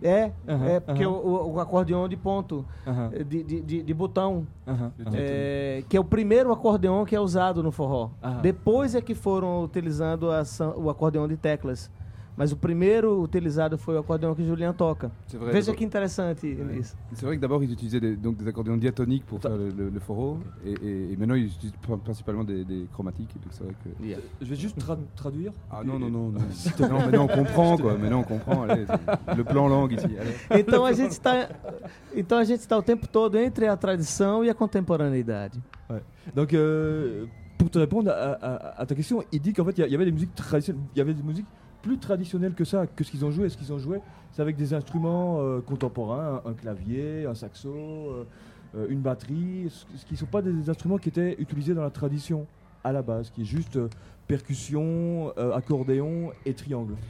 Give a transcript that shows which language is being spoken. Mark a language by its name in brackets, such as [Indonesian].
[Portuguese] É, uhum, é porque uhum. O acordeon de ponto, uhum. de botão, uhum, uhum. Que é o primeiro acordeon que é usado no forró. Uhum. Depois é que foram utilizando o acordeon de teclas. Mas o primeiro utilizado foi o acordeon que o Julian toca. [French] C'est vrai, [Portuguese] veja [French] d'abord... [Portuguese] que interessante isso. [French] C'est vrai que d'abord ils utilisaient des accordéons diatoniques pour faire le forró. Okay. Et maintenant ils utilisent principalement des chromatiques. Donc c'est vrai que... yeah. Je vais juste traduire. Ah non. Non, maintenant on comprend quoi. Maintenant on comprend. Allez, le plan langue ici. [Portuguese] Então a gente está o tempo todo entre a tradição e a contemporaneidade. [French] Ouais. Donc pour te répondre à ta question, il dit qu'en fait il y avait des musiques traditionnelles. Il y avait des musiques plus traditionnel que ça, que ce qu'ils ont joué. Ce qu'ils ont joué, c'est avec des instruments contemporains, un clavier, un saxo, une batterie, ce qui ne sont pas des instruments qui étaient utilisés dans la tradition à la base, qui est juste percussion, accordéon et triangle.